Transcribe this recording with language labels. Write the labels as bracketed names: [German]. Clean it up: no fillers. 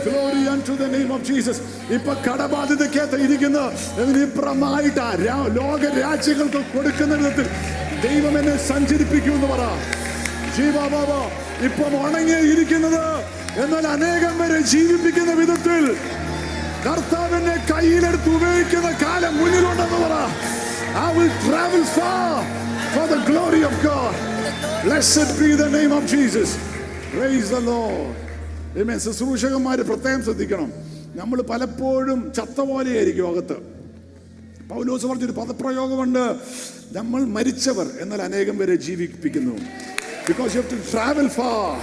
[English] Glory unto the name of Jesus. [Malayalam] ഇപ്പൊ കടബാധിതയ്ക്കകത്ത് ഇരിക്കുന്ന പ്രമായിട്ടാ ലോക രാജ്യങ്ങൾക്ക് കൊടുക്കുന്ന വിധത്തിൽ ദൈവം എന്നെ സഞ്ചരിപ്പിക്കും എന്ന് പറ ജീവബാബ. ഇപ്പൊ ഉണങ്ങിയിരിക്കുന്നത് എന്നാൽ അനേകം പേരെ ജീവിപ്പിക്കുന്ന വിധത്തിൽ കർത്താവിനെ കയ്യിലെടുത്ത് ഉപയോഗിക്കുന്ന കാലം മുന്നിലുണ്ടെന്ന് പറ. [English] I will travel far for the glory of God. Blessed be the name of Jesus. Praise the Lord. Amen. [Malayalam] ശുശ്രൂഷകന്മാര് പ്രത്യേകം ശ്രദ്ധിക്കണം. നമ്മൾ പലപ്പോഴും ചത്ത പോലെയായിരിക്കും അകത്ത്. പൗലോസ് പറഞ്ഞൊരു പദപ്രയോഗമുണ്ട്, നമ്മൾ മരിച്ചവർ എന്നാൽ അനേകം പേരെ ജീവിപ്പിക്കുന്നു. [English] Because you have to travel far.